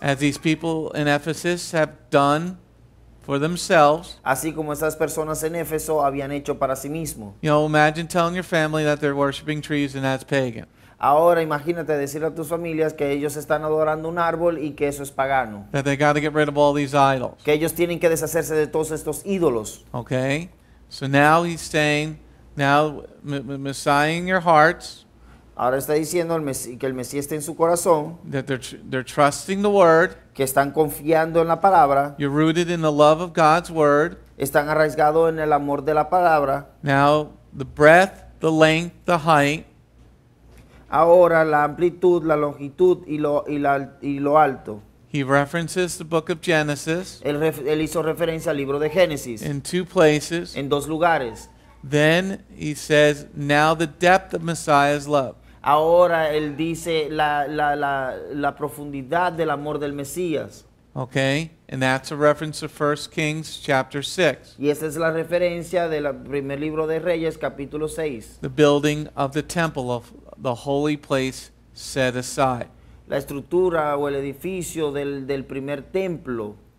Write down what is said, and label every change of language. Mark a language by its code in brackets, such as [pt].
[en] As these people in Ephesus have done for themselves. [es] Así como esas personas en Éfeso habían hecho para sí mismo. [en] You know, imagine telling your family that they're worshiping trees and that's pagan. [es] Ahora imagínate decirle a tus familias que ellos están adorando un árbol y que eso es pagano. [en] That they got to get rid of all these idols. [es] Que ellos tienen que deshacerse de todos estos ídolos. [en] Okay. So now he's saying, now Messiah in your hearts. [es] Ahora está diciendo que el Mesías está en su corazón. [en] That they're trusting the word. [es] Que están confiando en la palabra. [en] You're rooted in the love of God's word. [es] Están arraigados en el amor de la palabra. [en] Now the breadth, the length, the height. [es] Ahora la amplitud, la longitud y lo alto. [en] He references the book of Genesis. [es] Él hizo referencia al libro de Génesis. [en] In two places. [es] En dos lugares. [en] Then he says, now the depth of Messiah's love. [es] Ahora él dice la profundidad del amor del Mesías. [en] Okay, and that's a reference to 1 Kings chapter 6. [es] Y esa es la referencia del primer libro de Reyes, capítulo 6. [en] The building of the temple of the holy place set aside. [es] La estructura o el edificio del primer templo.